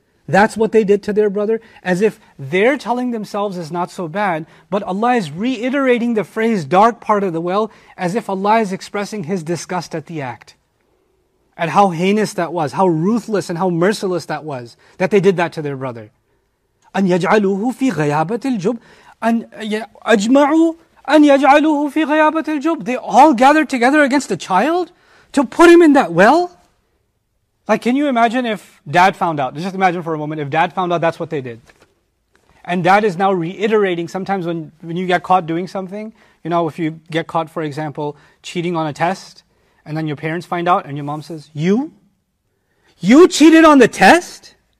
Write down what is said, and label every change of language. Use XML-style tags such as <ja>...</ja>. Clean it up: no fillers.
<en>That's what they did to their brother. As if they're telling themselves is not so bad, but Allah is reiterating the phrase dark part of the well as if Allah is expressing His disgust at the act. At how heinous that was, how ruthless and how merciless that was, that they did that to their brother.</en> <ar>أَنْ يَجْعَلُوهُ فِي غَيَابَةِ الْجُبْ أجمعوا أن يجعلوه في غيابة الجب.</ar> <en>They all gathered together against the child to put him in that well. Like, can you imagine if dad found out? Just imagine for a moment, if dad found out that's what they did. And dad is now reiterating, sometimes when you get caught doing something, you know, if you get caught, for example, cheating on a test, and then your parents find out, and your mom says, You cheated on the test?</en>